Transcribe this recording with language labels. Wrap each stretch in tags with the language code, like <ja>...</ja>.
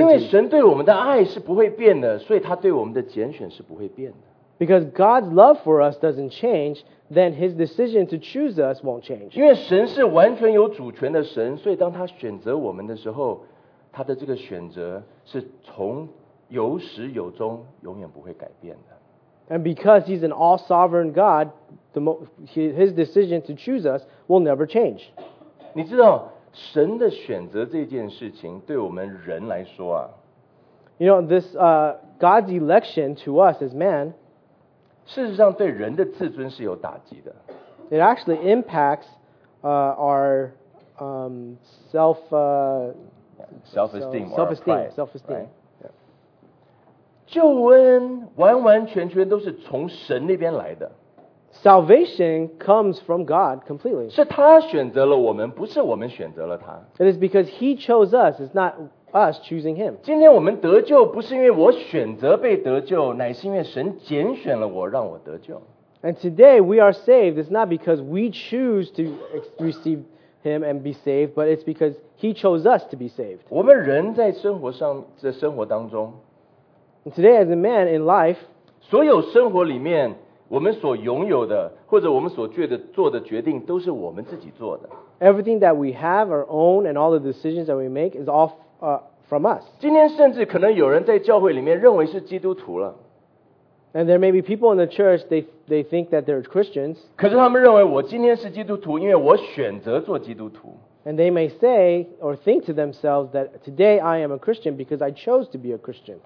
<zh>因为神对我们的爱是不会变的，所以他对我们的拣选是不会变的。</zh> <en>Because God's love for us doesn't change, then His decision to choose us won't change.</en> <zh>因为神是完全有主权的神，所以当他选择我们的时候，他的这个选择是从有始有终，永远不会改变的。</zh> <en>And because he's an all-sovereign God, his decision to choose us will never change.</en> <zh>你知道神的选择这件事情对我们人来说啊。</zh> <en>You know, this God's election to us as man,</en> <zh>事实上对人的自尊是有打击的。</zh> <en>It actually impacts our self-esteem. Right?</en> <zh>救恩完完全全都是从神那边来的。</zh> <en>Salvation comes from God completely.</en> <zh>是他选择了我们，不是我们选择了他。</zh> <en>It is because he chose us, it's not us choosing him.</en> <zh>今天我们得救不是因为我选择被得救，乃是因为神拣选了我，让我得救。</zh> <en>And today we are saved, it's not because we choose to receive him and be saved, but it's because he chose us to be saved.</en> <zh>我们人在生活上，在生活当中</zh> <en>Today, as a man in life,</en> <zh>所有生活里面我们所拥有的或者我们所做的决定都是我们自己做的。</zh> <en>Everything that we have or own and all the decisions that we make is all from us.</en> <zh>今天甚至可能有人在教会里面认为是基督徒了。</zh> <en>And there may be people in the church, they think that they're Christians.</en> <zh>可是他们认为我今天是基督徒因为我选择做基督徒。</zh> <en>And they may say or think to themselves that today I am a Christian because I chose to be a Christian.</en>